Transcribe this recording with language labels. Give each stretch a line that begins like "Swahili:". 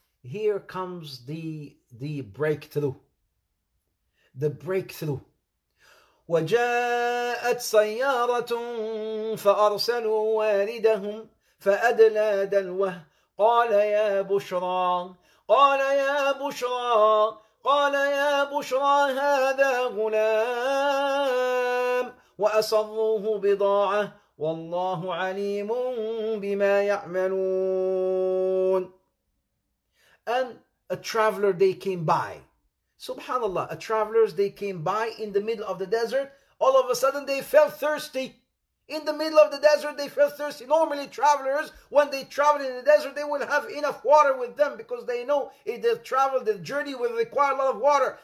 English: Here comes the breakthrough. The breakthrough.
Arabic: وجاءت سيارة فأرسلوا واردهم فأدلى دلوه قال يا بشرى قال يا بشرى قال يا بشرى هذا غلام وأسروه بضاعة والله عليم بما يعملون.
English: And a traveler they came by. Subhanallah, a traveler they came by in the middle of the desert. All of a sudden they felt thirsty. In the middle of the desert they felt thirsty. Normally travelers, when they travel in the desert, they will have enough water with them because they know if they travel, the journey will require a lot of water.